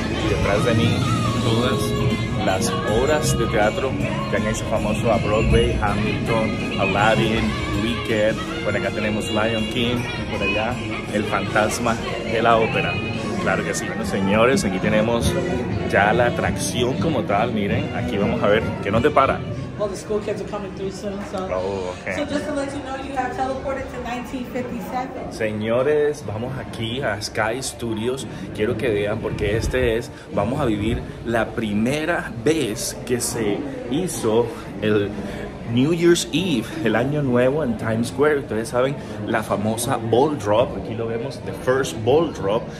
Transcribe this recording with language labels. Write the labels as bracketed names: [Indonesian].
[Spanish] Y detrás de mí, todas las obras de teatro que han hecho famoso a Broadway. Hamilton, Aladdin, Wicked. Por acá tenemos Lion King. Y por allá, el fantasma de la ópera. Claro que sí. Bueno, señores, aquí tenemos ya la atracción como tal. Miren, aquí vamos a ver qué nos depara. [English] Well, the school kids are coming through soon, so. Oh, okay. So just to let you know, you have teleported to 1957. [Spanish] Señores, vamos aquí a Sky Studios. Quiero que vean porque este es, vamos a vivir la primera vez que se hizo el New Year's Eve, el año nuevo en Times Square. Ustedes saben la famosa ball drop. Aquí lo vemos, [English] the first ball drop.